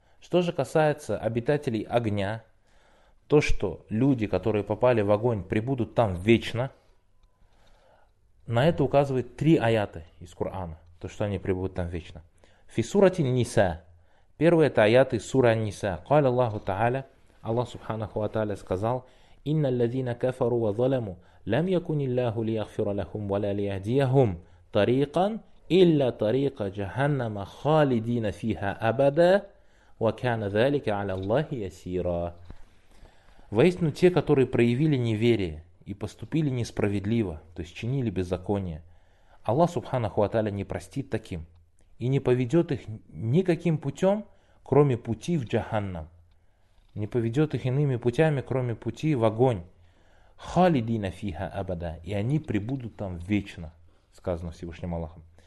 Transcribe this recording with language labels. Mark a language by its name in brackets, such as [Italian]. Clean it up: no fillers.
[Russian] Что же касается обитателей огня, то, что люди, которые попали в огонь, прибудут там вечно, на это указывают три аяты из Корана, то, что они прибудут там вечно. [Arabic] «Фи сурати ниса», [Russian] первый это аяты сура ниса. [Arabic] «Кал Аллаху Та'аля», Аллах Субханаху Ва'Та'аля сказал: «Инна ллазина кафару ва заляму, لم يكن الله ليغفر لهم ولا ليهديهم طريقا إلا طريق جهنم خالدين فيها أبدا وكان ذلك على الله يسيرا». [Russian] Воистину те, которые проявили неверие и поступили несправедливо, то есть чинили беззаконие, Аллах Субханаху ва Тааля не простит таким и не поведет их никаким путем, кроме пути в джаханнам. Не поведет их иными путями, кроме пути в огонь. [Arabic] «Халидина фиха абада», [Russian] и они пребудут там вечно, сказано Всевышним Аллахом.